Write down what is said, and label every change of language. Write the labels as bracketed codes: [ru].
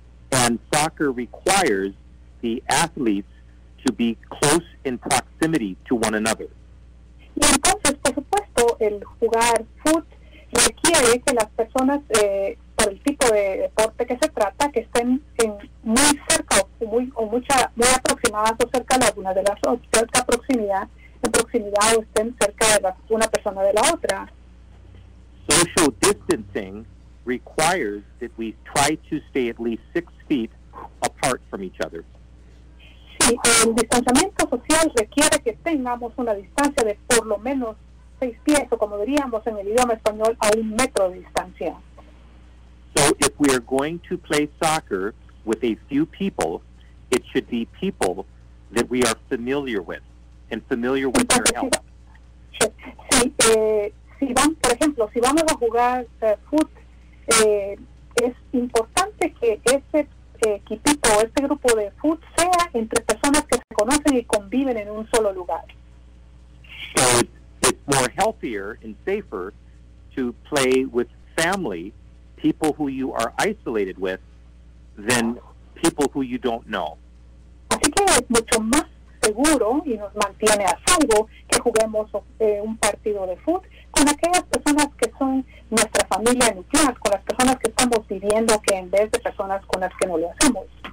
[en] And soccer requires the athletes to be close in proximity to one another. [es] Y entonces, por supuesto, el jugar fútbol requiere que las personas, por el tipo de deporte que se trata, que estén en muy cerca o muy aproximadas o cerca de alguna de las otras, cerca proximidad, en proximidad o estén cerca de una persona de la otra. [en] Social distancing requires that we try to stay at least 6 feet apart from each other. [es] Sí, el distanciamiento social requiere que tengamos una distancia de por lo menos 6 pies, o como diríamos en el idioma español, a 1 metro de distancia. [en] So if we are going to play soccer with a few people, it should be people that we are familiar with and familiar with their health. [es] Si vamos a jugar fútbol, es importante que ese equipo, ese grupo de fútbol, sea entre personas que se conocen y conviven en un solo lugar. [en] So it's more healthier and safer to play with family, people who you are isolated with, than people who you don't know. [es] Así que es mucho más seguro y nos mantiene a salvo que juguemos un partido de fútbol con aquellas personas que son nuestra familia nuclear, con las personas que estamos viviendo, que en vez de personas con las que no lo hacemos.